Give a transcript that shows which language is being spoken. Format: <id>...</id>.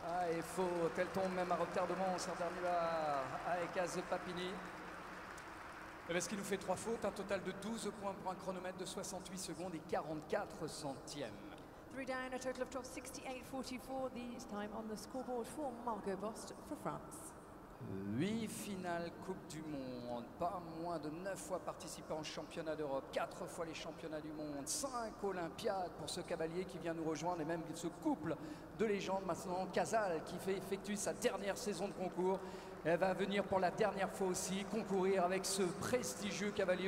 <fr>est faute. Elle tombe même à retardement, Sardarnua, avec Aze Papini. Ce qui nous fait 3 fautes, un total de 12 points pour un chronomètre de 68 secondes et 44 centièmes.</fr> <en>3 down, a total of 12, 68-44, this time on the scoreboard for Margot Bost for France.</en> <fr>8 finales Coupe du Monde, pas moins de 9 fois participant au championnat d'Europe, 4 fois les championnats du monde, 5 Olympiades pour ce cavalier qui vient nous rejoindre et même ce couple de légendes maintenant, Casal qui fait effectuer sa dernière saison de concours. Elle va venir pour la dernière fois aussi concourir avec ce prestigieux cavalier.</fr>